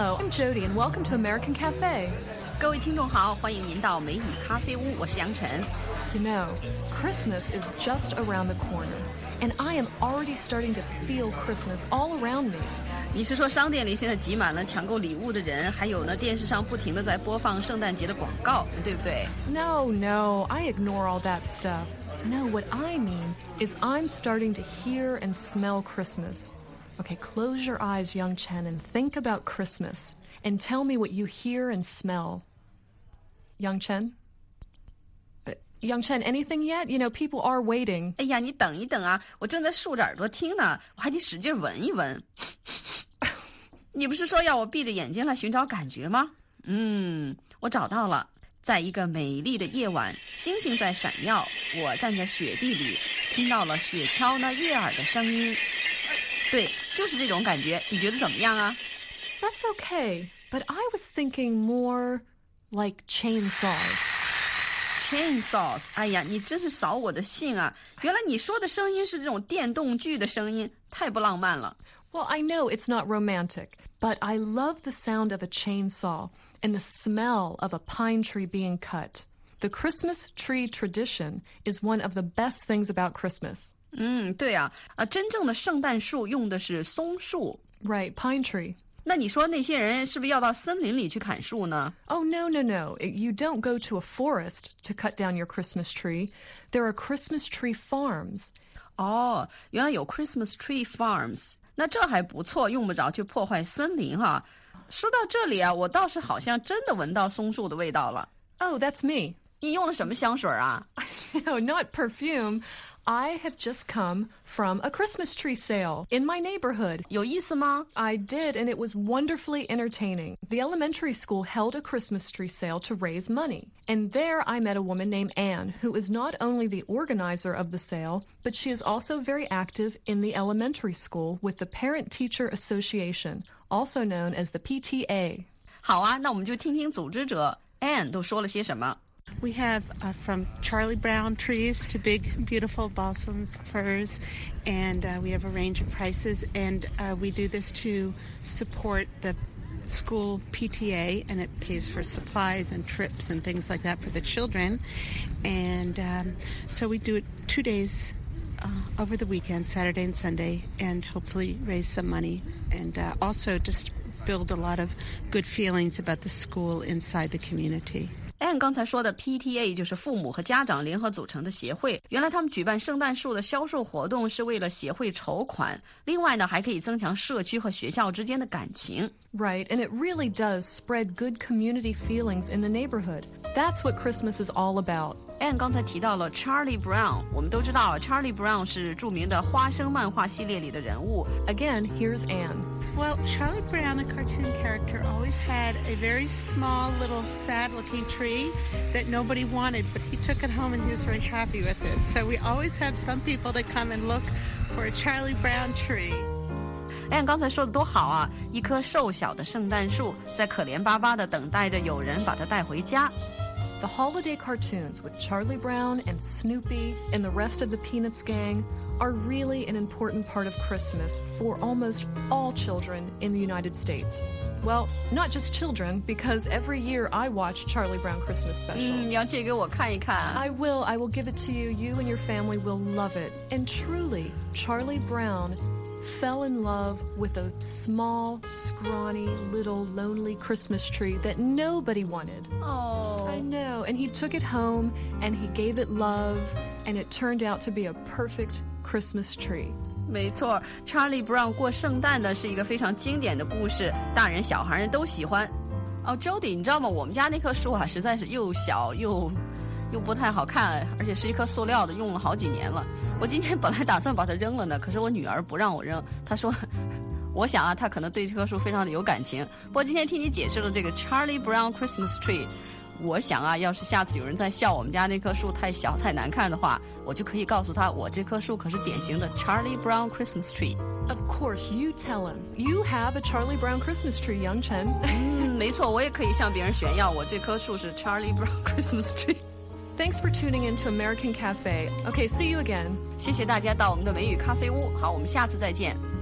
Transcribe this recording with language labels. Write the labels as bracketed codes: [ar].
[en] Jody, and welcome to American Cafe. [zh] 各位听众好，欢迎您到美语咖啡屋，我是杨晨。 [en] You know, Christmas is just around the corner, and I am already starting to feel Christmas all around me. [zh] 你是说商店里现在挤满了抢购礼物的人，还有呢，电视上不停地在播放圣诞节的广告，对不对？ [en] No, no, I ignore all that stuff. No, what I mean is I'm starting to hear and smell Christmas. Okay, close your eyes, Yang Chen, and think about Christmas. And tell me what you hear and smell. Yang Chen? Yangchen, anything yet? You know, people are waiting. [zh] 哎呀，你等一等啊，我正在竖着耳朵听呢，我还得使劲闻一闻。你不是说要我闭着眼睛来寻找感觉吗？嗯，我找到了，在一个美丽的夜晚，星星在闪耀，我站在雪地里，听到了雪橇那悦耳的声音。对，就是这种感觉，你觉得怎么样啊？ [en] That's okay, but I was thinking more like chainsaws. [zh] Chainsaws, 哎呀，你真是扫我的兴啊！原来你说的声音是这种电动锯的声音，太不浪漫了。 [en] Well, I know it's not romantic, but I love the sound of a chainsaw and the smell of a pine tree being cut. The Christmas tree tradition is one of the best things about Christmas. [zh] 嗯，对啊，真正的圣诞树用的是松树。 [en] Right, pine tree. [zh] 那你说那些人是不是要到森林里去砍树呢 [en] ？Oh no no no! You don't go to a forest to cut down your Christmas tree. There are Christmas tree farms. 哦、oh, ， [zh] 原来有 [en] Christmas tree farms. [zh] 那这还不错，用不着去破坏森林哈。说到这里啊，我倒是好像真的闻到松树的味道了。 [en] Oh, that's me. [zh] 你用了什么香水啊 [en] ？No, not perfume. I have just come from a Christmas tree sale in my neighborhood. [zh] 有意思吗? [en] I did, and it was wonderfully entertaining. The elementary school held a Christmas tree sale to raise money. And there I met a woman named Anne, who is not only the organizer of the sale, but she is also very active in the elementary school with the Parent Teacher Association, also known as the PTA. 好啊,那我们就听听组织者 Anne 都说了些什么。 We have、from Charlie Brown trees to big, beautiful balsams, firs, and、we have a range of prices. And、we do this to support the school PTA, and it pays for supplies and trips and things like that for the children. And、so we do it 2 days、over the weekend, Saturday and Sunday, and hopefully raise some money and、also just build a lot of good feelings about the school inside the community. [zh] Anne 刚才说的 PTA 就是父母和家长联合组成的协会，原来他们举办圣诞树的销售活动是为了协会筹款，另外呢还可以增强社区和学校之间的感情。 [en] Right, and it really does spread good community feelings in the neighborhood. That's what Christmas is all about. [zh] Anne 刚才提到了 Charlie Brown, 我们都知道 Charlie Brown 是著名的花生漫画系列里的人物。 [en] Again, here's Anne Well, Charlie Brown, the cartoon character, always had a very small, little, sad-looking tree that nobody wanted, but he took it home and he was very happy with it. So we always have some people that come and look for a Charlie Brown tree. [zh] Anne 刚才说的多好啊，一棵瘦小的圣诞树在可怜巴巴地等待着有人把它带回家。 [en] The holiday cartoons with Charlie Brown and Snoopy and the rest of the Peanuts gang... are really an important part of Christmas for almost all children in the United States. Well, not just children, because every year I watch Charlie Brown Christmas Special. [zh] 你要借给我看一看。 [en] I will give it to you. You and your family will love it. And truly, Charlie Brown fell in love with a small, scrawny, little, lonely Christmas tree that nobody wanted. Oh. I know. And he took it home, and he gave it love, and it turned out to be a perfect... Christmas tree. [zh] 没错 ,Charlie Brown 过圣诞呢是一个非常经典的故事，大人小孩人都喜欢。哦 ,Jody, 你知道吗，我们家那棵树啊实在是又小又不太好看，而且是一棵塑料的，用了好几年了。我今天本来打算把它扔了呢，可是我女儿不让我扔，她说我想啊她可能对这棵树非常的有感情。不过今天听你解释了这个 Charlie Brown Christmas tree,我想啊，要是下次有人再笑我们家那棵树太小太难看的话，我就可以告诉他，我这棵树可是典型的 Charlie Brown Christmas tree。 [en] Of course, you tell him you have a Charlie Brown Christmas tree, Yang Chen. [zh] 嗯，没错，我也可以向别人炫耀我这棵树是 Charlie Brown Christmas tree。 [en] Thanks for tuning in to American Cafe. Okay, see you again. [zh] 谢谢大家到我们的美语咖啡屋。好，我们下次再见。